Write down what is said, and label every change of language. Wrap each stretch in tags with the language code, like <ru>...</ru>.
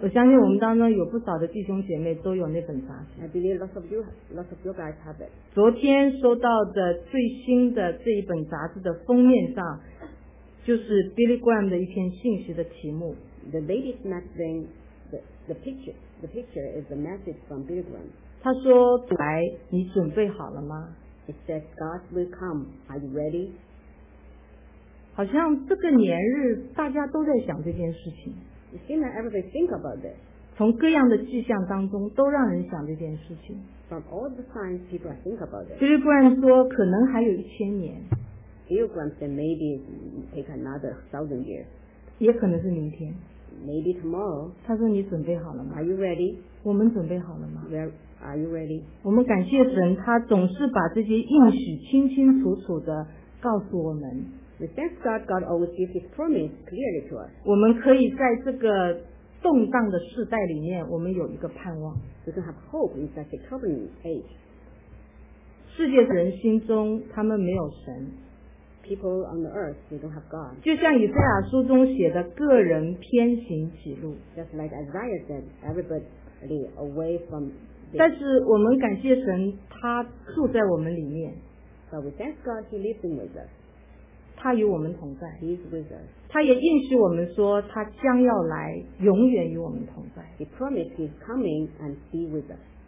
<zh>我相信我们当中有不少的弟兄姐妹都有那本杂志</zh> <en>I believe lots of you guys have it</en> <zh>昨天收到的最新的这一本杂志的封面上就是 Billy Graham 的一篇信息的题目</zh> <en>The latest magazine the picture is a message from Billy Graham</en> <zh>他说主来你准备好了吗</zh> <en>It says God will come Are you ready?</en> <zh>好像这个年日大家都在想这件事情</zh> <en>It seems that everybody think about this</en> <zh>从各样的迹象当中都让人想这件事情</zh> <en>From all the signs people think about this</en> <zh>Billy Graham 说可能还有1000年</zh> <en>Billy Graham said maybe take another 1000 years</en> <zh>也可能是明天</zh> <en>Maybe tomorrow</en> <zh>他说你准备好了吗</zh> <en>Are you ready?</en> <zh>我们准备好了吗</zh> <en>We're,Are you ready?</en> <zh>我们感谢神他总是把这些应许清清楚楚地告诉我们</zh> <en>We thank God God always gives his promise clearly to us</en> <zh>我们可以在这个动荡的世代里面我们有一个盼望</zh> <en>We can have hope in such a troubling age</en> <zh>世界的人心中他们没有神</zh> <en>People on the earth they don't have God</en> <zh>就像以赛亚书中写的个人偏行己路</zh> <en>Just like Isaiah said everybody away from</en> <zh>但是我们感谢神，他住在我们里面。</zh> <en>But we thank God he lives in with us.</en> <zh>他与我们同在。</zh> <en>He is with us.</en> <zh>他也应许我们说，他将要来，永远与我们同在。</zh> <en>He promised he's coming and be with us.</en>